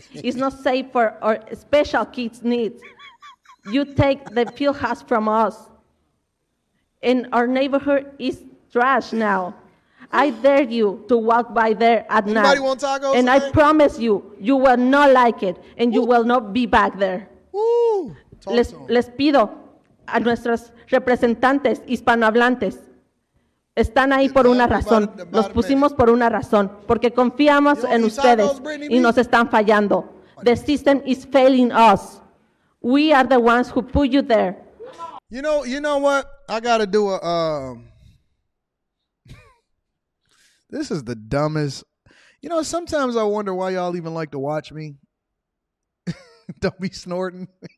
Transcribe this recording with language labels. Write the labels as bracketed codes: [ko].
[en] It's not safe for our special kids' needs. You take the field house from us. And our neighborhood is trash now. I dare you to walk by there at anybody Want tacos and there? I promise you, you will not like it. And you will not be back there. [es] Les pido a nuestros representantes hispanohablantes están ahí por una razón. Los pusimos por una razón. Porque confiamos en ustedes y nos están fallando. [en] The system is failing us. We are the ones who put you there. You know what? I got to do a... this is the dumbest... You know, sometimes I wonder why y'all even like to watch me. Don't be snorting.